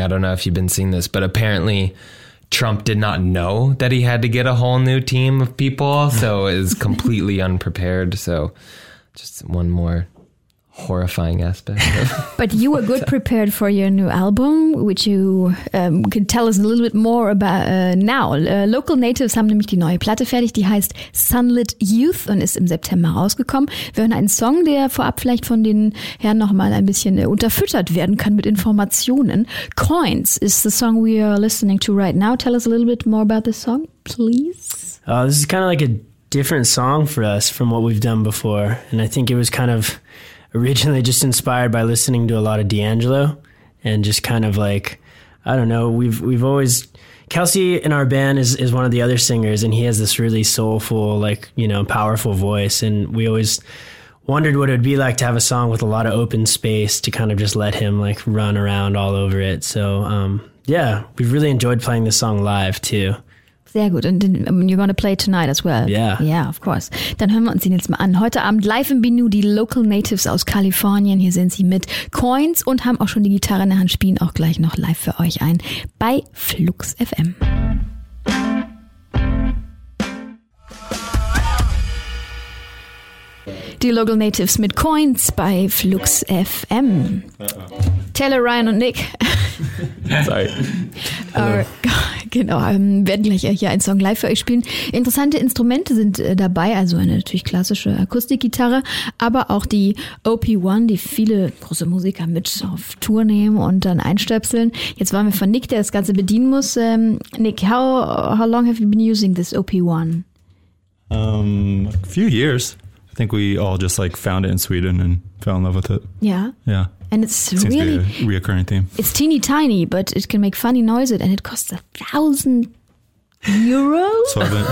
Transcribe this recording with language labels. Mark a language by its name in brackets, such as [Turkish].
[English] I don't know if you've been seeing this, but apparently Trump did not know that he had to get a whole new team of people. So is completely unprepared. So just one more horrifying aspect. But you were good prepared for your new album, which you could tell us a little bit more about now. [German] Local Natives haben nämlich die neue Platte fertig, die heißt Sunlit Youth und ist im September rausgekommen. Wir hören einen Song, der vorab vielleicht von den Herren nochmal ein bisschen unterfüttert werden kann mit Informationen. [English] Coins is the song we are listening to right now. Tell us a little bit more about this song, please. This is kind of like a different song for us from what we've done before. And I think it was kind of originally just inspired by listening to a lot of D'Angelo and just kind of like, I don't know, we've always, Kelsey in our band is one of the other singers and he has this really soulful, like, you know, powerful voice. And we always wondered what it would be like to have a song with a lot of open space to kind of just let him like run around all over it. So yeah, we've really enjoyed playing this song live too. [German] Sehr gut. [English] And you're going to play tonight as well. Yeah. Yeah, of course. [German] Dann hören wir uns ihn jetzt mal an. Heute Abend live in Benu, die Local Natives aus Kalifornien. Hier sind sie mit Coins und haben auch schon die Gitarre in der Hand, spielen auch gleich noch live für euch ein bei Flux FM. Die Local Natives mit Coins bei Flux FM. Taylor, Ryan und Nick. [English] Sorry. [German] Genau, werden gleich hier einen Song live für euch spielen. Interessante Instrumente sind dabei, also eine natürlich klassische Akustikgitarre, aber auch die OP1, die viele große Musiker mit auf Tour nehmen und dann einstöpseln. Jetzt waren wir von Nick, der das Ganze bedienen muss. [English] Nick, how long have you been using this OP1? A few years. I think we all just like found it in Sweden and fell in love with it. Yeah? Yeah. And it's seems to be a reoccurring theme. It's teeny tiny, but it can make funny noises, and it costs €1,000.